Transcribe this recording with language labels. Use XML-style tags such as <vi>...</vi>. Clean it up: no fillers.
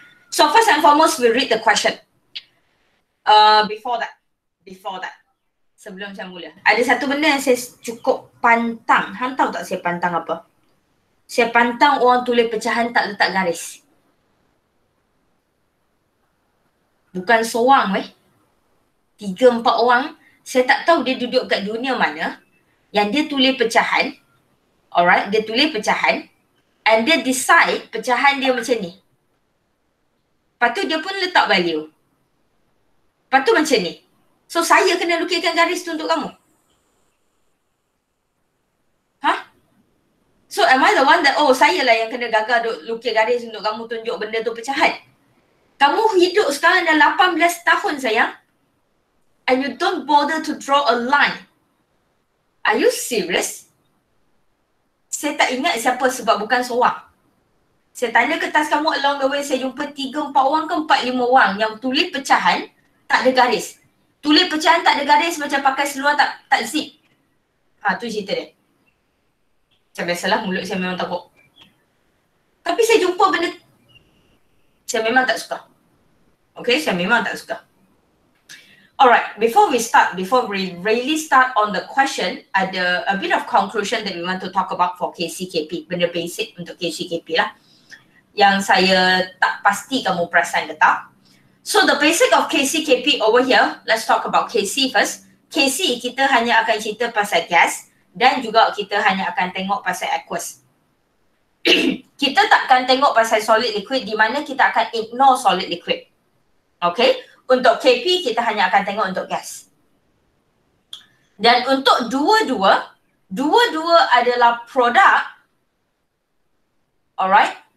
<en>So first and foremost, we'll read the question. Before that.</en> <ms>Sebelum saya mula. Ada satu benda yang saya cukup pantang. Han tahu tak saya pantang apa? Saya pantang orang tulis pecahan tak letak garis. Bukan seorang weh. 3-4 orang. Saya tak tahu dia duduk kat dunia mana. Yang dia tulis pecahan. Alright. Dia tulis pecahan. And dia decide pecahan dia macam ni. Lepas tu dia pun letak value. Lepas tu macam ni. So saya kena lukiskan garis tu untuk kamu. Hah?</ms> <en>So am I the one that,</en> <ms>oh, saya lah yang kena gagal lukis garis untuk kamu tunjuk benda tu pecahan. Kamu hidup sekarang dah 18 tahun sayang.</ms> <en>And you don't bother to draw a line. Are you serious?</en> <ms>Saya tak ingat siapa sebab bukan seorang. Saya tanya kertas kamu</ms> <en>along the way,</en> <ms>saya jumpa 3-4 orang ke 4-5 orang yang tulis pecahan tak ada garis. Tulis pecahan tak ada garis macam pakai seluar tak zip. Ha, tu cerita dia. Macam biasalah mulut saya memang takut. Tapi saya jumpa benda. Saya memang tak suka. Okay, saya memang tak suka.</ms> <en>Alright, before we really start on the question, ada a bit of conclusion that we want to talk about for KCKP.</en> <ms>Benda basic untuk KCKP lah. Yang saya tak pasti kamu perasan ke tak.</ms> <en>So the basic of KCKP over here, let's talk about KC first.</en> <ms>KC, kita hanya akan cerita pasal gas dan juga kita hanya akan tengok pasal aqueous. Kita takkan tengok pasal solid liquid di mana kita akan ignore solid liquid. Okay? Untuk KP, kita hanya akan tengok untuk gas. Dan untuk dua-dua adalah produk. Alright?</ms>